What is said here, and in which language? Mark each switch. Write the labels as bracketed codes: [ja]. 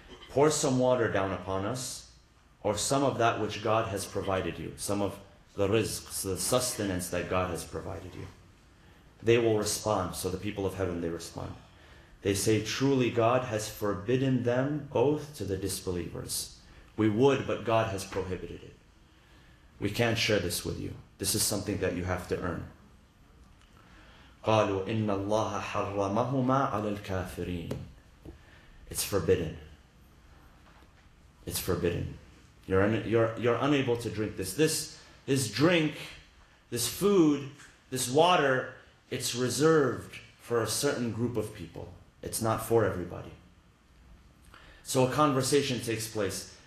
[en] Pour some water down upon us, or some of that which God has provided you, some of the rizq, so the sustenance that God has provided you. They will respond. So the people of heaven, they respond. They say, truly God has forbidden them both to the disbelievers. We would, but God has prohibited it. We can't share this with you. This is something that you have to earn. [ar] قَالُوا إِنَّ اللَّهَ حَرَّمَهُمَا عَلَى الْكَافِرِينَ [en] It's forbidden. It's forbidden. You're unable to drink this. This drink, this food, this water, it's reserved for a certain group of people. It's not for everybody. So a conversation takes place.